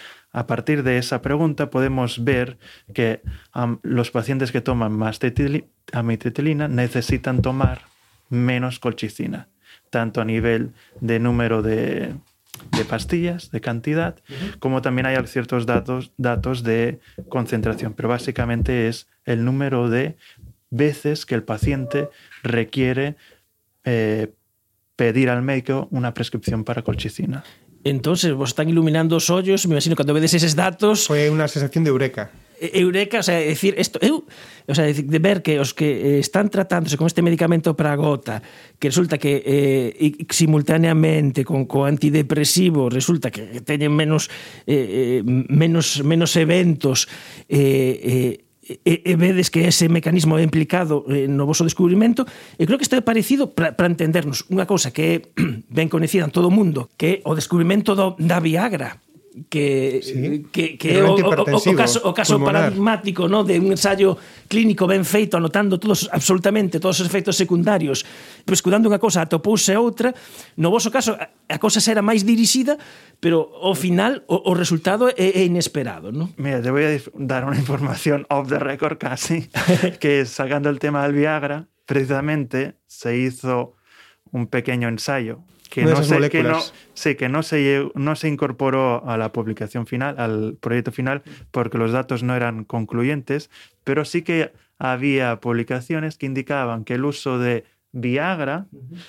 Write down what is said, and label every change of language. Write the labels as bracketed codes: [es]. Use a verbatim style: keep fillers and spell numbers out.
[es] A partir de esa pregunta podemos ver que um, los pacientes que toman más amititrina necesitan tomar menos colchicina, tanto a nivel de número de, de pastillas, de cantidad, uh-huh, como también hay ciertos datos, datos de concentración, pero básicamente es el número de veces que el paciente requiere eh, pedir al médico una prescripción para colchicina. [gl] Entonces, vos están iluminando os ollos, me imagino, cando vedes eses datos. Foi unha sensación de eureka. Eureka, o sea, decir, esto, eu, o sea, de ver que os que están tratándose con este medicamento para a gota, que resulta que eh, simultaneamente con co antidepresivo resulta que teñen menos eh, menos menos eventos eh, eh E, e vedes que ese mecanismo é implicado eh, no vosso descubrimento. E creo que isto é parecido, para entendernos, unha cousa que é ben coñecida en todo o mundo, que é o descubrimento do, da Viagra, que sí, que, que é o, o, o caso, o caso paradigmático, ¿no?, [es] de un ensayo clínico [gl] ben feito, anotando todos, absolutamente todos os efectos secundarios, pescudando unha cousa, atopouse outra. No vosso caso, a, a cousa será máis dirixida, pero ao final o, o resultado é inesperado, ¿no? [es] Mira, te voy a dar una información off the record casi, que sacando el tema del Viagra, precisamente se hizo un pequeño ensayo que Una no se que no, sí, que no se no se incorporó a la publicación final, al proyecto final, porque los datos no eran concluyentes, pero sí que había publicaciones que indicaban que el uso de Viagra uh-huh.